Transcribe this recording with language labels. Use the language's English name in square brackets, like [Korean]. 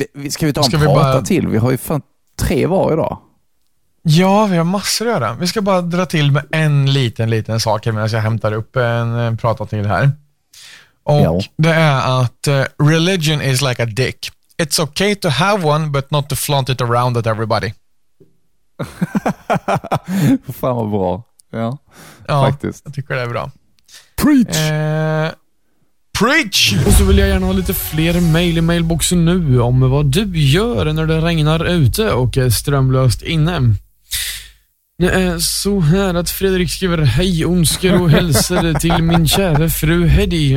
[Swedish] Ska vi ta och prata bara... till? Vi har ju fan tre var idag. Ja, vi har massor att göra. Vi ska bara dra till med en liten sak medan jag hämtar upp en prata till här. Och det är att [English] religion is like a dick. It's okay to have one, but not to flaunt it around at everybody. [Swedish] Fan vad bra. Ja, faktiskt. Jag tycker det är bra. [English] Preach! preach! [Swedish] Och så vill jag gärna ha lite fler mejl i mailboxen nu om vad du gör när det regnar ute och är strömlöst inne. Det är så här att Fredrik skriver: hej, önskar och hälsar till min kära fru Heddy.